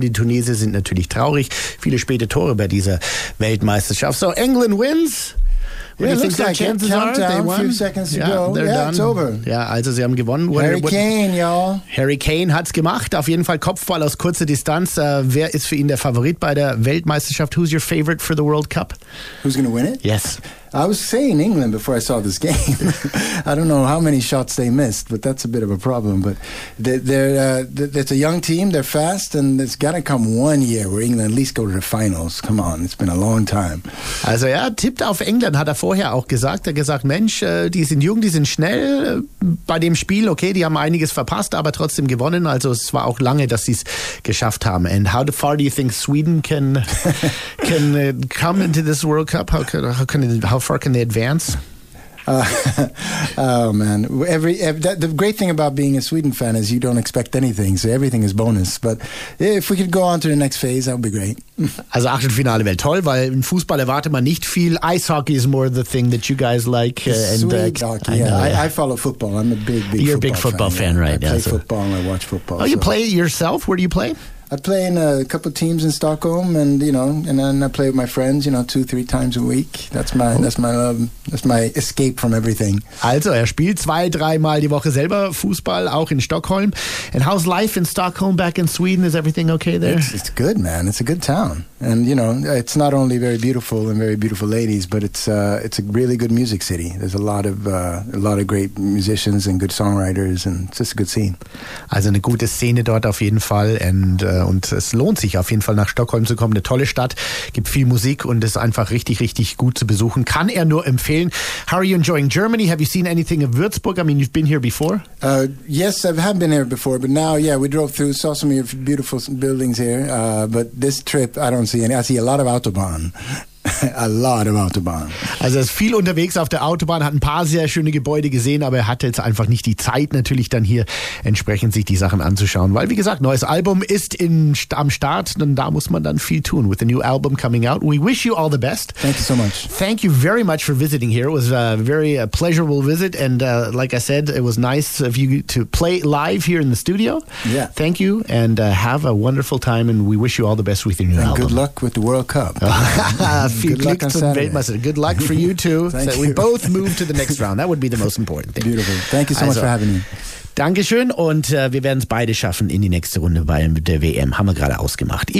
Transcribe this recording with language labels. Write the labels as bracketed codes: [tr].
[de] Die Tunesier sind natürlich traurig. Viele späte Tore bei dieser Weltmeisterschaft. [en] So, England wins. Yeah, it looks like it. Countdown, they won. Few seconds to go. Yeah, done. It's over. [de] Yeah, also sie haben gewonnen. Harry Kane hat's gemacht. Auf jeden Fall Kopfball aus kurzer Distanz. Wer ist für ihn der Favorit bei der Weltmeisterschaft? [en] Who's your favorite for the World Cup? Who's going to win it? Yes. I was saying England before I saw this game. I don't know how many shots they missed, but that's a bit of a problem. But it's a young team. They're fast, and it's got to come one year where England at least go to the finals. Come on, it's been a long time. [de] Also ja, tippt auf England, hat er vorher auch gesagt. Er hat gesagt, Mensch, die sind jung, die sind schnell bei dem Spiel. Okay, die haben einiges verpasst, aber trotzdem gewonnen. Also es war auch lange, dass sie es geschafft haben. [en] And how far do you think Sweden can come into this World Cup? How far can they advance? Oh man! The great thing about being a Sweden fan is you don't expect anything, so everything is bonus. But if we could go on to the next phase, that would be great. [de] Also Achtelfinale wäre toll, weil im Fußball erwartet man nicht viel. [en] Ice hockey is more the thing that you guys like. I follow football. I'm a big football fan. You're a big football fan, right? I play football. And I watch football. Oh, you play yourself? Where do you play? I play in a couple of teams in Stockholm, and then I play with my friends, 2-3 times a week. That's my escape from everything. [de] Also, spielt 2-3 Mal die Woche selber Fußball, auch in Stockholm. [en] And how's life in Stockholm back in Sweden? Is everything okay there? It's good, man. It's a good town. And, it's not only very beautiful and very beautiful ladies, but it's a really good music city. There's a lot of great musicians and good songwriters, and it's just a good scene. [de] Also, eine gute Szene dort auf jeden Fall, und es lohnt sich auf jeden Fall nach Stockholm zu kommen. Eine tolle Stadt, gibt viel Musik und ist einfach richtig, richtig gut zu besuchen. Kann er nur empfehlen. [en] How are you enjoying Germany? Have you seen anything of Würzburg? I mean, you've been here before? Yes, I have been here before, but now, yeah, we drove through, saw some of your beautiful buildings here. But this trip, I don't see any. I see a lot of Autobahn. A lot of Autobahn. [de] Also er ist viel unterwegs auf der Autobahn, hat ein paar sehr schöne Gebäude gesehen, aber er hatte jetzt einfach nicht die Zeit, natürlich dann hier entsprechend sich die Sachen anzuschauen. Weil, wie gesagt, neues Album ist am Start, und da muss man dann viel tun. [en] With the new album coming out, we wish you all the best. Thank you so much. Thank you very much for visiting here. It was a very pleasurable visit, and like I said, it was nice of you to play live here in the studio. Yeah. Thank you, and have a wonderful time, and we wish you all the best with your new and album. Good luck with the World Cup. Good luck for you too. So we both move to the next round. That would be the most important thing. Beautiful. Thank you so much for having me. [de] Dankeschön, und wir werden es beide schaffen in die nächste Runde bei der WM. Haben wir gerade ausgemacht.